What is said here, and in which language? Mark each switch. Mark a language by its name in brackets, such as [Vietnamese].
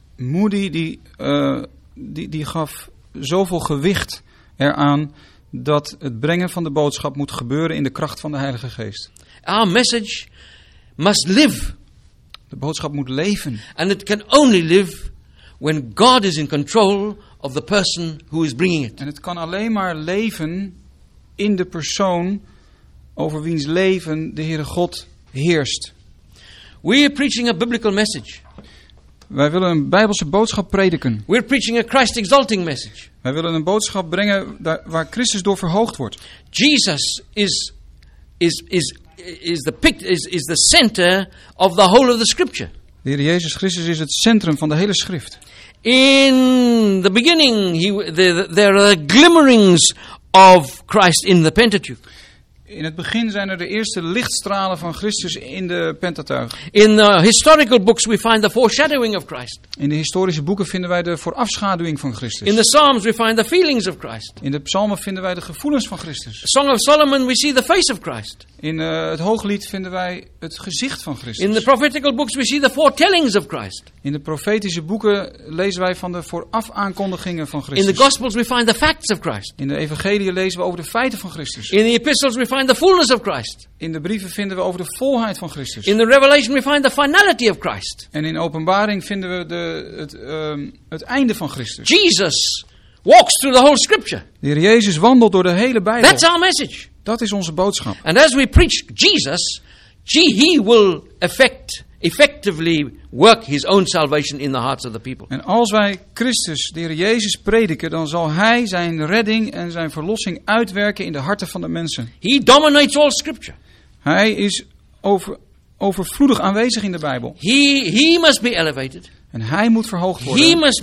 [Dutch] Moody die gaf zoveel gewicht eraan dat het brengen van de boodschap moet gebeuren in de kracht van de Heilige Geest. [English] Our message must live. [Dutch] De boodschap moet leven. [English] And it can only live when God is in control of the person who is bringing it. [Dutch] En het kan alleen maar leven in de persoon over wiens leven de Heere God heerst. [English] We are preaching a biblical message. [Dutch] Wij willen een Bijbelse boodschap prediken. [English] We're preaching a Christ exalting message. [Dutch] Wij willen een boodschap brengen waar Christus door verhoogd wordt. [English] Jesus is the center of the whole of the scripture. [Dutch] De Heer Jezus Christus is het centrum van de hele schrift. [English] In the beginning there are glimmerings of Christ in the Pentateuch. [Dutch] In het begin zijn er de eerste lichtstralen van Christus in de Pentateuch. [English] In the historical books we find the foreshadowing of Christ. [Dutch] In de historische boeken vinden wij de voorafschaduwing van Christus. [English] In the Psalms we find the feelings of Christ. [Dutch] In de Psalmen vinden wij de gevoelens van Christus. [English] Song of Solomon we see the face of Christ. [Dutch] In het Hooglied vinden wij het gezicht van Christus. [English] In the prophetical books we see the foretellings of Christ. [Dutch] In de profetische boeken lezen wij van de voorafaankondigingen van Christus. [English] In the Gospels we find the facts of Christ. [Dutch] In de evangelieën lezen we over de feiten van Christus. [English] In the epistles we find the fullness of Christ. [Dutch] In de brieven vinden we over de volheid van Christus. [English] In the Revelation we find the finality of Christ. [Dutch] En in Openbaring vinden we het einde van Christus. [English] Jesus walks through the whole scripture. [Dutch] De Heer Jezus wandelt door de hele Bijbel. [English] That's our message. [Dutch] Dat is onze boodschap. [English] And as we preach Jesus, he will effectively work his own salvation in the hearts of the people. [Dutch] En als wij Christus, de Heer Jezus, prediken, dan zal hij zijn redding en zijn verlossing uitwerken in de harten van de mensen. [English] He dominates all scripture. [Dutch] Hij is overvloedig aanwezig in de Bijbel. [English] He must be elevated. [Dutch] En hij moet verhoogd worden.